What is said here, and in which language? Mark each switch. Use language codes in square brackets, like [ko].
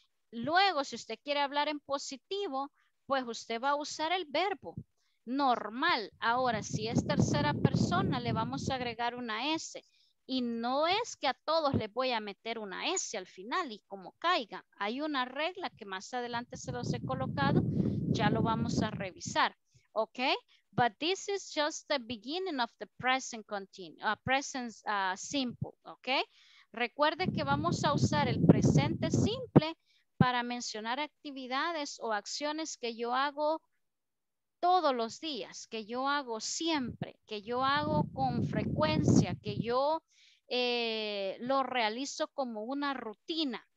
[es] Luego, si usted quiere hablar en positivo, pues usted va a usar el verbo normal. Ahora, si es tercera persona, le vamos a agregar una S. Y no es que a todos les voy a meter una S al final y como caiga. Hay una regla que más adelante se los he colocado, ya lo vamos a revisar, ¿ok? [en] But this is just the beginning of the present continuous, simple, ¿ok? [es] Recuerde que vamos a usar el presente simple para mencionar actividades o acciones que yo hago todos los días, que yo hago siempre, que yo hago con frecuencia, que yo lo realizo como una rutina.